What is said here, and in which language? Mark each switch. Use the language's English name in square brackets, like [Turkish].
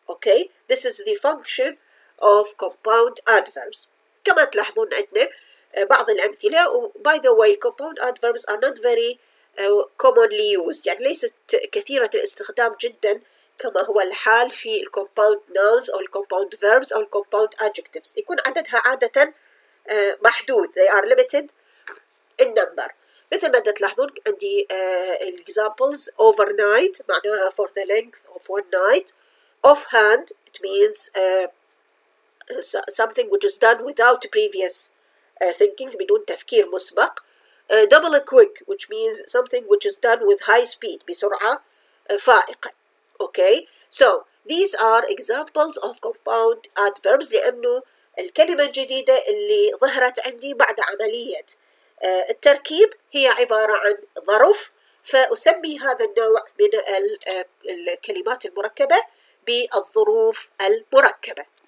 [English] Okay, this is the function of compound adverbs. [Arabic] كما تلاحظون عندنا بعض الأمثلة. [English] By the way, compound adverbs are not very commonly used. [Arabic] يعني ليست كثيرة الاستخدام جدا كما هو الحال في compound nouns أو compound verbs أو compound adjectives. يكون عددها عادة محدود. [English] They are limited in number. [Arabic] مثل ما تلاحظون عندي [English] examples overnight [Arabic] معناها [English] for the length of one night. Offhand, it means something which is done without previous thinking, [Arabic] بدون تفكير مسبق. [English] Double quick, which means something which is done with high speed, [Arabic] بسرعة فائقة. [English] Okay, so these are examples of compound adverbs, [Arabic] لأنه الكلمة الجديدة اللي ظهرت عندي بعد عملية التركيب هي عبارة عن ظرف, فأسمي هذا النوع من الكلمات المركبة بالظروف المركبة.